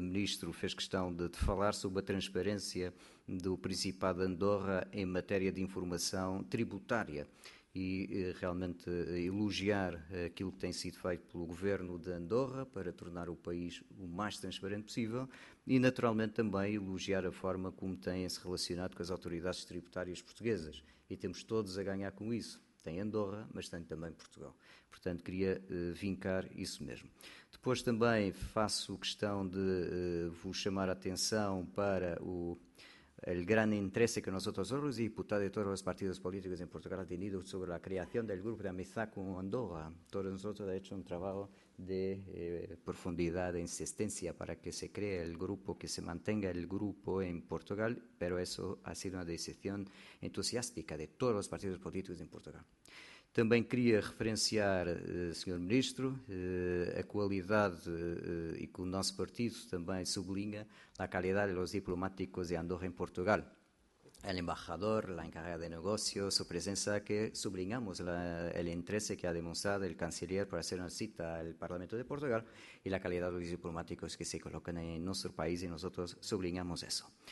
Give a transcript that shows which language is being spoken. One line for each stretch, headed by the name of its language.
Portuguese: Ministro fez questão de falar sobre a transparência do Principado de Andorra em matéria de informação tributária, e realmente elogiar aquilo que tem sido feito pelo governo de Andorra para tornar o país o mais transparente possível e naturalmente também elogiar a forma como têm-se relacionado com as autoridades tributárias portuguesas e temos todos a ganhar com isso, tem Andorra mas tem também Portugal, portanto queria vincar isso mesmo. Depois também faço questão de vos chamar a atenção para
Spanish: el gran interés que nosotros somos diputados de todos los partidos políticos en Portugal tenidos sobre la creación del grupo de amistad con Andorra. Todos nosotros hemos hecho un trabajo de profundidad, de insistencia para que se cree el grupo, que se mantenga el grupo en Portugal, pero eso ha sido una decisión entusiástica de todos los partidos políticos en Portugal.
Portuguese: Também queria referenciar, Sr. Ministro, a qualidade e que o nosso partido também sublinha a qualidade dos diplomáticos de Andorra em Portugal. O embaixador, a encarregada de negócios, sua presença, que sublinhamos o interesse que ha demonstrado o canciller para fazer uma cita ao Parlamento de Portugal e a qualidade dos diplomáticos que se colocam em nosso país e nós sublinhamos isso.